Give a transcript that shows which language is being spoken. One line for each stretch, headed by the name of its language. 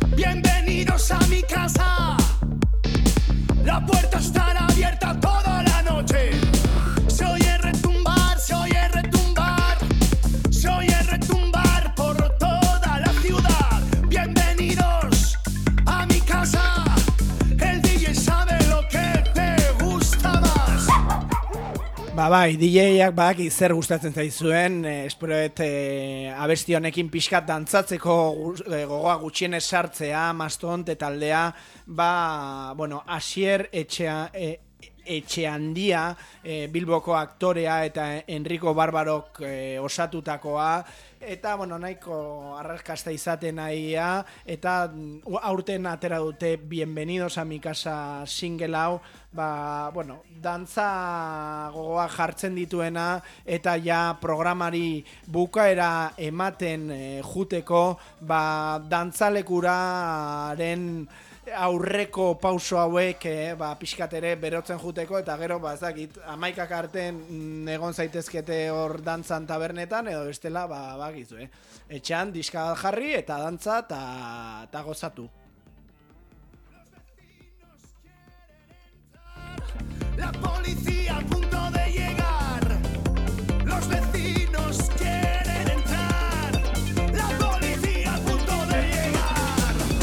Spanish: Bienvenidos a mi casa. La puerta estará abierta toda la noche. Se oye retumbar, se oye retumbar. Se oye retumbar por toda la ciudad. Bienvenidos a mi casa. El DJ sabe lo que te gusta más.
Basque: Ba bai, DJak badaki zer gustatzen zaizuen, esperoet abesti honekin pixkat dantzatzeko gogoa gutxienez sartzea, Mastodonte taldea, ba, bueno, Asier Etxea, Etxehandia, Bilboko aktorea eta Enrico Barbarok osatutakoa, eta bueno, nahiko arrakasta izaten aia, eta aurten atera dute Bienvenidos a mi casa single hau, ba, bueno, dantza gogoa jartzen dituena, eta ja programari bukaera ematen juteko, ba, dantzalekuraren aurreko pauso hauek ba pixkat ere berotzen juteko eta gero ba ezagik 11ak arte egon zaitezkete hor dantzan tabernetan edo bestela ba bakizu etxean diska jarri eta dantza ta gozatu.
Spanish: La policía al punto de llegar. Los vecinos quieren entrar. La policía al punto de llegar.